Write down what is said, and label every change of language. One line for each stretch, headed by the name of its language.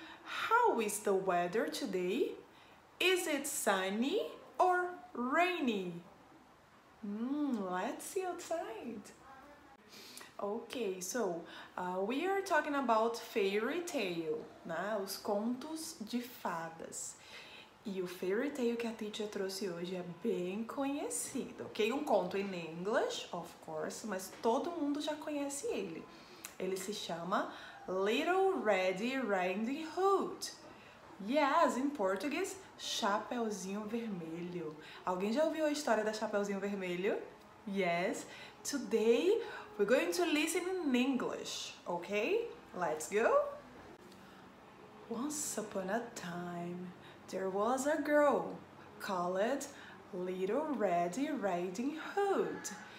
English: How is the weather today? Is it sunny or rainy? Let's see outside. Okay, so we are talking about fairy tale, né?
Portuguese: Os contos de fadas. E o fairy tale que a teacher trouxe hoje é bem conhecido, ok? Um conto
English: in English, of course,
Portuguese: mas todo mundo já conhece ele. Ele se chama Little Red Riding Hood.
English: Yes, in Portuguese, Chapeuzinho Vermelho.
Portuguese: Alguém já ouviu a história da Chapeuzinho Vermelho?
English: Yes. Today, we're going to listen in English, ok? Let's go! Once upon a time, there was a girl called Little Red Riding Hood.